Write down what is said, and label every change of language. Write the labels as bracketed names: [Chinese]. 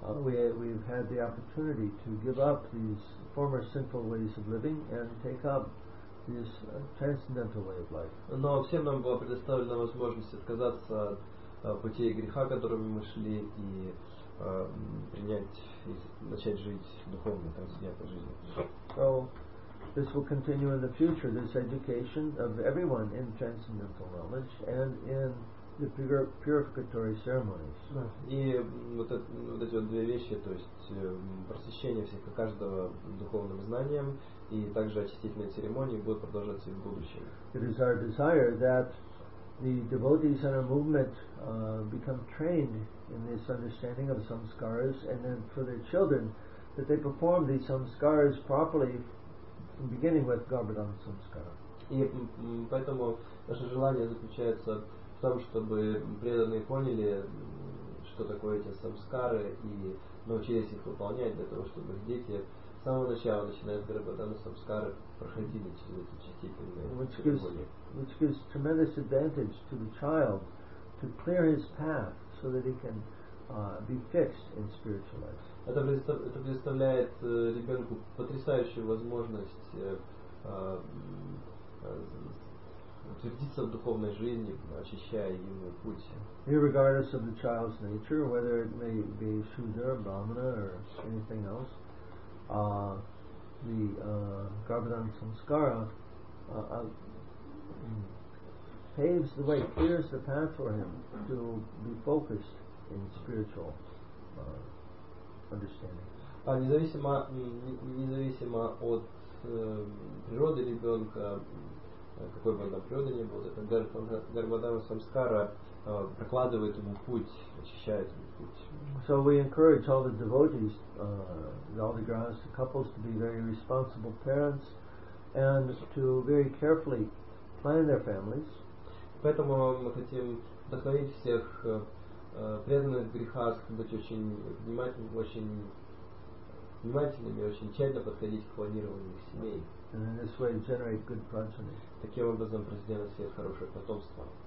[English] We've had the opportunity to give up these former sinful ways of living and take up this transcendental way of life. [Russian] Но всем нам была предоставлена возможность отказаться от пути греха, которыми мы шли, и принять и начать жить духовно, трансцендентной жизнью. [English] So this will continue in the future, this education of everyone in transcendental knowledge and in the purificatory ceremonies. [Russian] И вот эти вот две вещи, то есть просвещение всех и каждого духовным знанием и также очистительные церемонии будут продолжаться и в будущем. [English] It is our desire that the devotees in our movement become trained in this understanding of samskaras, and then for their children that they perform these samskaras properly, beginning with Garbhadhana samskara. [Russian] И поэтому наше желание заключается в том, чтобы преданные поняли, что такое эти самскары, и научились их выполнять для того, чтобы их дети с самого начала, начиная с Гарбхадана самскары, проходили через эти очистительные церемонии. [English] Which gives tremendous advantage to the child to clear his path so that he can be fixed in spiritual life. [Russian] Это предоставляет ребенку потрясающую возможность утвердиться в духовной жизни, очищая ему путь. [English] Irregardless of the child's nature, whether it may be Shudra, Brahmana, or anything else, the Garbhadhana Samskara paves the way, clears the path for him to be focused in spiritual understanding. [Russian] Независимо от природы ребенка, какой бы она природа ни была, это Гарбхадана Самскара прокладывает ему путь, очищает ему путь. [English] So we encourage all the devotees, all the grahastha couples to be very responsible parents and to very carefully plan their families. [Russian] Поэтому мы хотим вдохновить всех преданных грехаст быть очень внимательными, очень тщательно подходить к планированию их семей. [English] And in this way generate good progeny. [Russian] Таким образом произведение свет хорошее потомство.